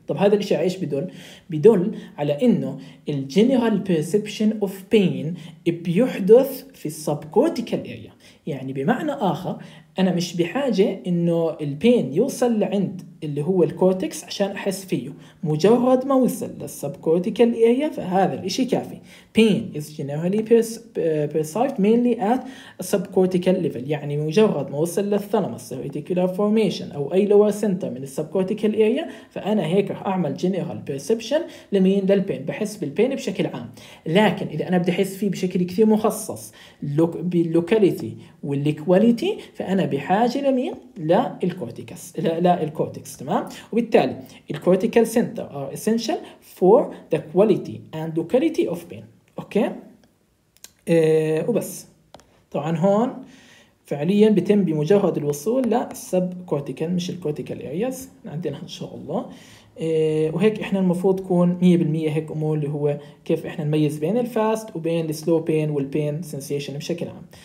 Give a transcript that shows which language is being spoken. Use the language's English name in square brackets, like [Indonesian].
[Arabic] طب هذا الشيء ايش بدل؟ بدل على انه الجنرال بيرسبشن اوف بين بيحدث في السب كورتيكال اريا. يعني بمعنى اخر انا مش بحاجه انه البين يوصل لعند اللي هو الكورتكس عشان أحس فيه. مجرد ما وصل للسبكورتيكال إيريا فهذا الإشي كافي. [English] Pain is generally perceived mainly at subcortical level. [Arabic] يعني مجرد ما وصل للثلمس reticular formation أو أي lower center من السبكورتيكال إيريا فأنا هيك رح أعمل general perception لمين للبين، بحس بالبين بشكل عام. لكن إذا أنا بدي أحس فيه بشكل كثير مخصص باللوكاليتي والكواليتي فأنا بحاجة لمين؟ للكورتيكس، لا الكورتكس. تمام؟ وبالتالي الكورتيكال سنتر [English] are essential for the quality and locality of pain. [Arabic] اوكي؟ وبس. طبعا هون فعليا بتم بمجرد الوصول للسب كورتيكال مش الكورتيكال ارياز عندنا ان شاء الله. وهيك احنا المفروض تكون 100% هيك امور اللي هو كيف احنا نميز بين الفاست وبين السلو بين والبين سنسيشن بشكل عام.